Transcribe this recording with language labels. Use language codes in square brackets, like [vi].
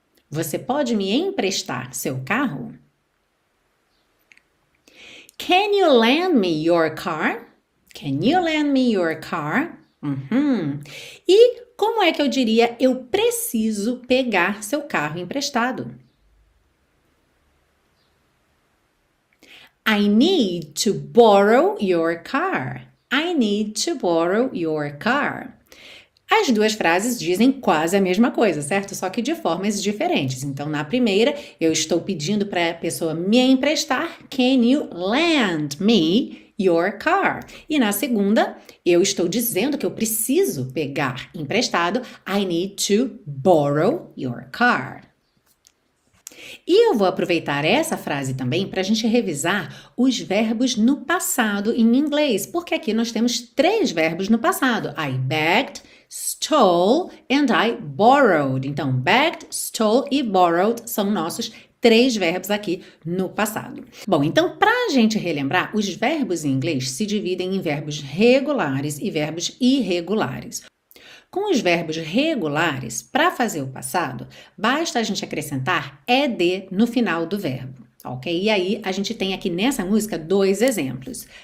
[pt] Você pode me emprestar seu carro? [en] Can you lend me your car? Can you lend me your car? Uhum. [pt] E como é que eu diria eu preciso pegar seu carro emprestado? [en] I need to borrow your car. I need to borrow your car. [pt] As duas frases dizem quase a mesma coisa, certo? Só que de formas diferentes. Então, na primeira, eu estou pedindo para a pessoa me emprestar. [en] Can you lend me your car? [pt] E na segunda, eu estou dizendo que eu preciso pegar emprestado. [en] I need to borrow your car. [pt] E eu vou aproveitar essa frase também para a gente revisar os verbos no passado em inglês. Porque aqui nós temos três verbos no passado. [en] I begged, stole and I borrowed. [pt] Então, begged, stole e borrowed são nossos três verbos aqui no passado. Bom, então, para a gente relembrar, os verbos em inglês se dividem em verbos regulares e verbos irregulares. Com os verbos regulares, para fazer o passado, basta a gente acrescentar ed no final do verbo, ok? E aí, a gente tem aqui nessa música dois exemplos.